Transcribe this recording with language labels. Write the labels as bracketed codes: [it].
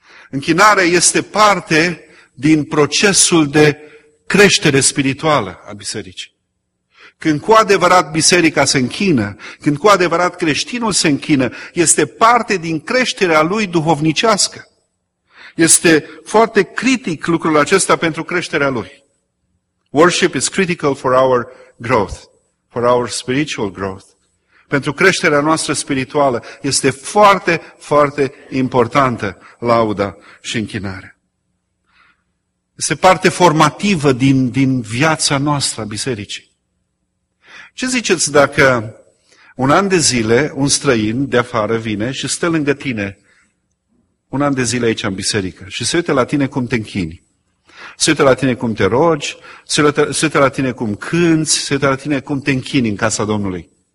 [ro] Închinarea este parte din procesul de creștere spirituală a bisericii. Când cu adevărat biserica se închină, când cu adevărat creștinul se închină, este parte din creșterea lui duhovnicească. Este foarte critic lucrul acesta pentru creșterea lui. [en] Worship is critical for our growth, for our spiritual growth. [ro] Pentru creșterea noastră spirituală este foarte, foarte importantă lauda și închinarea. Este parte formativă din viața noastră a bisericii. Ce ziceți dacă un an de zile un străin de afară vine și stă lângă tine un an de zile aici în biserică și se uită la tine cum te închini, se uită la tine cum te rogi, se uită la tine cum cânți, se uită la tine cum te închini în casa Domnului.